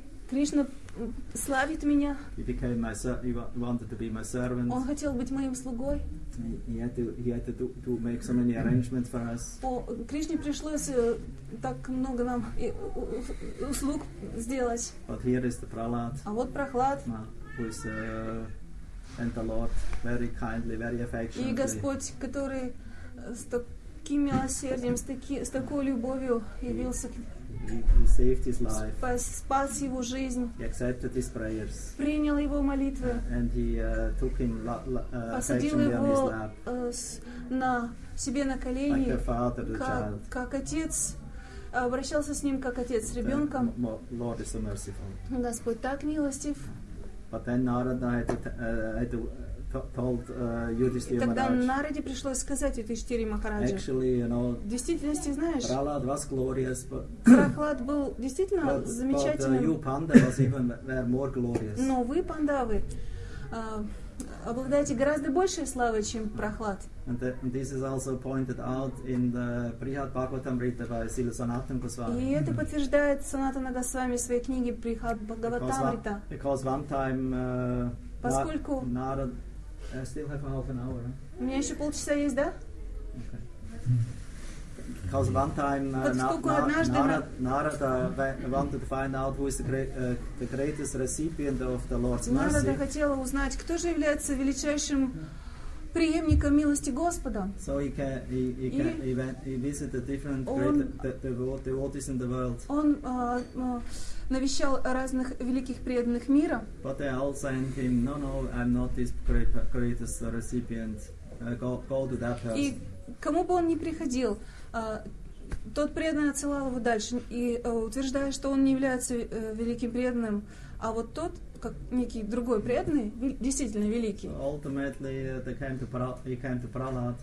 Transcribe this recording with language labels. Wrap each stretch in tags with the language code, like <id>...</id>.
<ru>Кришна славит меня.</ru> <en>He became my wanted to be my servant.</en> <ru>Он хотел быть моим слугой.</ru> <en>He had to make so many arrangements for us.</en> <ru>Кришне пришлось так много нам услуг сделать.</ru> <en>But here is the Prahlad.</en> <ru>А вот Прохлад.</ru> <en>Who is and the Lord very kindly, very affectionately.</en> <ru>И Господь, который с таким милосердием, с такой любовью явился.</ru> <en>He saved his life.</en> <ru>Спас его жизнь.</ru> <en>He accepted his prayers.</en> <ru>Принял его молитвы.</ru> <en>And he took him affectionately</en> <ru>его,</ru> <en>on his lap.</en> <ru>На себе на колени.</ru> <en>Like a father, the child.</en> <ru>Как отец обращался с ним, как отец с ребенком.</ru> <en>Lord is so merciful.</en> <ru>Господь так милостив.</ru> <en>But then Narada had to, told Yudhishthira Maharaj.</en> <ru>Тогда Нараде пришлось сказать Юдхиштхире Махараджу.</ru> <en>Actually, you know,</en> <ru>в действительности, знаешь,</ru> <en>Прохлад was glorious, but</en> <ru>Прохлад был действительно замечательным.</ru> <en>But you, Panda, was even more glorious.</en> <ru>Но вы, Пандавы, обладаете гораздо большей славой, чем Прохлад.</ru> <en>And, and this is also pointed out in the Brihad Bhagavatamrita by Srila Sanatana Goswami.</en> <ru>И это подтверждает Санатана Госвами в своей книге Брихад Бхагаватамрита.</ru> <en>Because one time</en> <ru>поскольку</ru> <en>Нарад. I still have half an hour.</en> <ru>У меня еще полчаса есть, да?</ru> <en>Okay. Because one time Narada wanted to find out who is the greatest recipient of the Lord's mercy.</en> <ru>Нарада хотела узнать, кто же является величайшим преемником милости Господа.</ru> <en>So he visited different devotees in the world.</en> <ru>Он навещал разных великих преданных мира.</ru> <en>But they all sent him, no, I'm not this greatest recipient. Go to that person.</en> <ru>И кому бы он ни приходил, тот преданный отсылал его дальше, и утверждая, что он не является великим преданным, а вот тот, как некий другой преданный, действительно великий.</ru> <en>So ultimately, he came to Prahlad.</en>